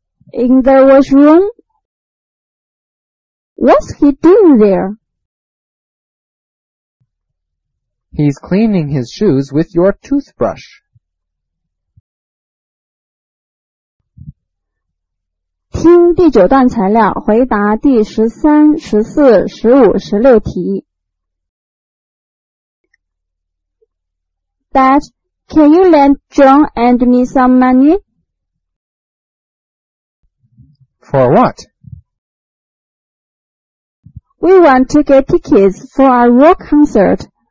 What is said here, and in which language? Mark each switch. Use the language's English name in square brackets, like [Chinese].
[English] In the washroom? What's he doing there? He's cleaning his shoes with your toothbrush. [Chinese] 听第九段材料，回答第十三、十四、十五、十六题。 [English] Dad, can you lend John and me some money? For what? We want to get tickets for a rock concert.